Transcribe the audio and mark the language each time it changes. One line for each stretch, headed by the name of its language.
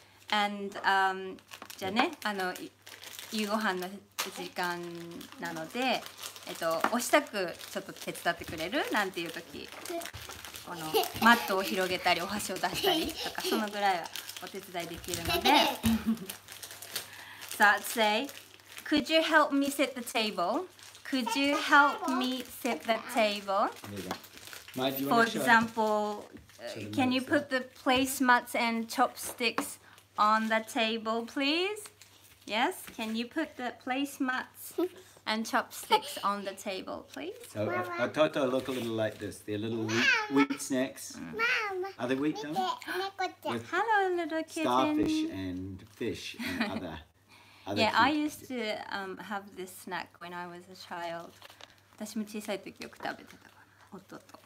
Japanese: And, じゃあね、夕ご飯の時間なので、お支度ちょっと手伝ってくれる?なんていう時。このマットを広げたり、お箸を出したりとか、そのぐらいはお手伝いできるので。
English: So I'd say, could you help me set the table? Could you help me set the table? For example, can you put the placemats and chopsticks on the table, please? Yes, can you put the placemats and chopsticks on the table, please? So, Ototo look a little like this. They're little wheat snacks. Mom. Are they wheat, though? With Hello, little kitten. Starfish and fish and other. Yeah, I used to have this snack when I was a child.
Japanese: 私も小さい時よく食べてたから、ホットと。